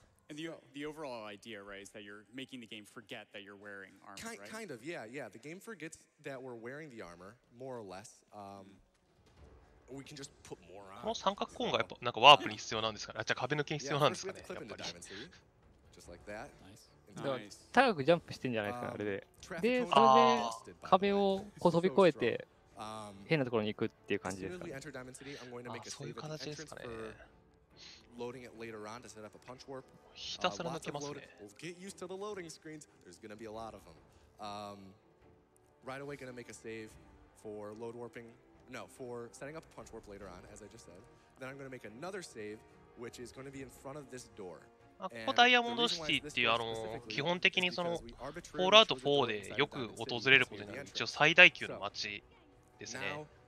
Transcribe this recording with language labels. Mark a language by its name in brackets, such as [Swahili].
[English] And the overall idea, right, is that you're making the game forget that you're wearing armor, kind, right? Kind of, yeah. The game forgets that we're wearing the armor, more or less. We can just put more on. [Japanese] この三角コーンがやっぱなんかワープに必要なんですかね。あ、じゃあ壁抜けに必要なんですかね。やっぱり。 [English] Just like that. Nice. [Japanese] 高くジャンプしてんじゃないですか、あれで。で、それで壁をこう飛び越えて変なところに行くっていう感じですかね。あ、そういう形ですかね。 [English] Loading it later on to set up a punch warp. [Japanese] ひたすら抜けますね。 [English] Get used to the loading screens. There's gonna be a lot of them. Right away gonna make a save for load warping, no, for setting up a punch warp later on, as I just said. Then I'm gonna make another save, which is gonna be in front of this door. [Japanese] ここダイヤモンドシティっていう基本的にそのフォールアウト4でよく訪れることになる一応最大級の街ですね。